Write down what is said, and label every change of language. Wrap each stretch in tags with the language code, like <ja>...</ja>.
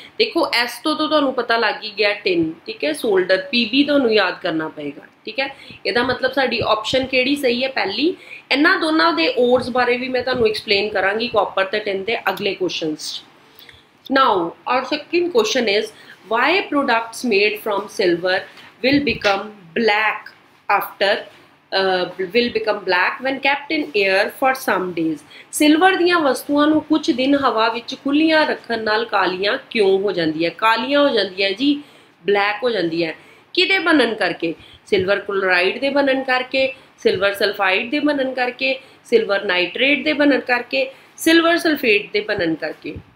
<pa>ਦੇਖੋ ਇਸ ਤੋਂ ਤੁਹਾਨੂੰ ਪਤਾ ਲੱਗ ਹੀ ਗਿਆ ਟਿਨ ਠੀਕ ਹੈ ਸੋਲਡਰ PB ਤੁਹਾਨੂੰ ਯਾਦ ਕਰਨਾ ਪਏਗਾ ਠੀਕ ਹੈ ਇਹਦਾ ਮਤਲਬ ਸਾਡੀ ਆਪਸ਼ਨ ਕਿਹੜੀ ਸਹੀ ਹੈ ਪਹਿਲੀ ਇਹਨਾਂ ਦੋਨਾਂ ਦੇ ਔਰਸ ਬਾਰੇ ਵੀ ਮੈਂ ਤੁਹਾਨੂੰ ਐਕਸਪਲੇਨ ਕਰਾਂਗੀ ਕੋਪਰ ਅਤੇ ਟਿਨ ਦੇ ਅਗਲੇ ਕੁਸ਼ਚਨਸ 'ਚ</pa> <en>Now our second question is why products made from silver will become black after will become black when kept in air for some days.</en> <pa>Silver ਦੀਆਂ ਵਸਤੂਆਂ ਨੂੰ ਕੁਝ ਦਿਨ ਹਵਾ ਵਿੱਚ ਖੁੱਲੀਆਂ ਰੱਖਣ ਨਾਲ ਕਾਲੀਆਂ ਕਿਉਂ ਹੋ ਜਾਂਦੀਆਂ? ਕਾਲੀਆਂ ਹੋ ਜਾਂਦੀਆਂ ਜੀ, ਬਲੈਕ ਹੋ ਜਾਂਦੀਆਂ ਕਿਹਦੇ ਬਣਨ ਕਰਕੇ? ਸਿਲਵਰ ਕਲੋਰਾਈਡ ਦੇ ਬਣਨ ਕਰਕੇ, ਸਿਲਵਰ ਸਲਫਾਈਡ ਦੇ ਬਣਨ ਕਰਕੇ, ਸਿਲਵਰ ਨਾਈਟ੍ਰੇਟ ਦੇ ਬਣਨ ਕਰਕੇ, ਸਿਲਵਰ ਸਲਫੇਟ ਦੇ ਬਣਨ ਕਰਕੇ?</pa>